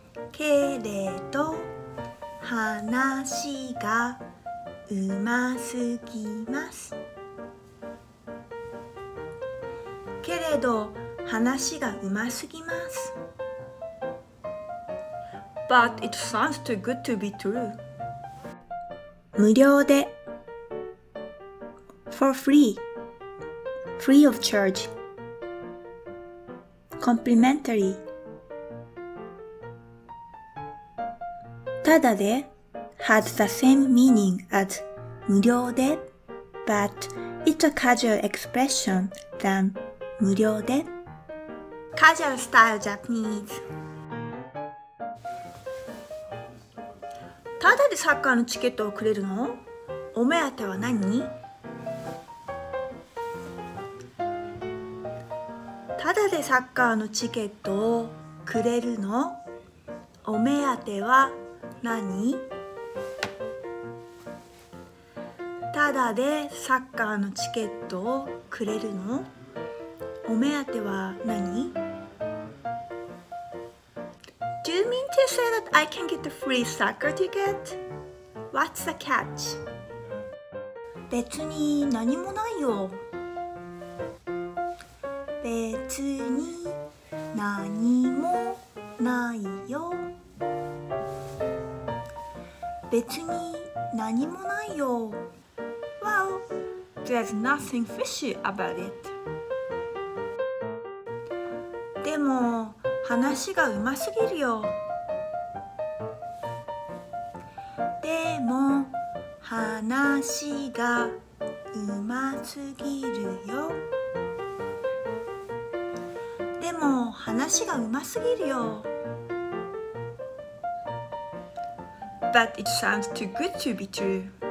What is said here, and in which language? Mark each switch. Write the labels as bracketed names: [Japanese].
[Japanese] けれど、話がうますぎます。けれど、話がうますぎます。 [English] But it sounds too good to be true. [Japanese] 無料で。 [English] For free. Free of charge. Complimentary. ただで has the same meaning as 無料で but it's a casual expression than 無料で。カジュアルスタイルジャパニーズ。 [Japanese] ただでサッカーのチケットをくれるの？お目当ては何？ただでサッカーのチケットをくれるの？お目当ては何？ただでサッカーのチケットをくれるの？お目当ては何？ [English] Do you mean to say that I can get the free soccer ticket? What's the catch? [Japanese] 別に何もないよ。別に何もないよ。別に何もないよ。 [English] Well, there's nothing fishy about it. [Japanese] でも話がうますぎるよ。でも話がうますぎるよ。でも話がうますぎるよ。 [English] But it sounds too good to be true.